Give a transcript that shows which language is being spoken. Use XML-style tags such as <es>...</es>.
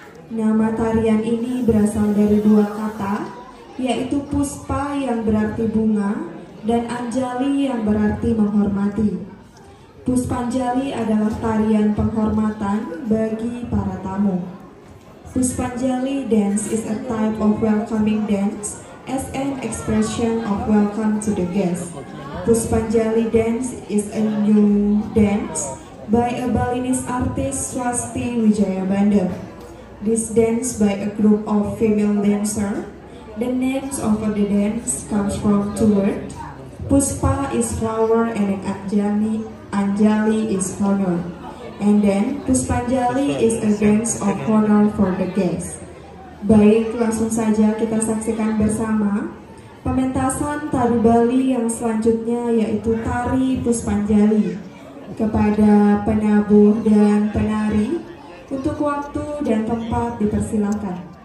<id>Nama tarian ini berasal dari dua kata, yaitu puspa yang berarti bunga dan anjali yang berarti menghormati. Puspanjali adalah tarian penghormatan bagi para tamu.</id> <en>Puspanjali dance is a type of welcoming dance as an expression of welcome to the guest. Puspanjali dance is a new dance by a Balinese artist Swasti Wijaya Bandar. This dance by a group of female dancer. The names of the dance comes from two words. Puspa is flower and anjali is honor. And then Puspanjali is a dance of honor for the guest.</en> <id>Baik, langsung saja kita saksikan bersama pementasan tari Bali yang selanjutnya, yaitu tari Puspanjali. Kepada penabuh dan penari, untuk waktu dan tempat dipersilakan.</id>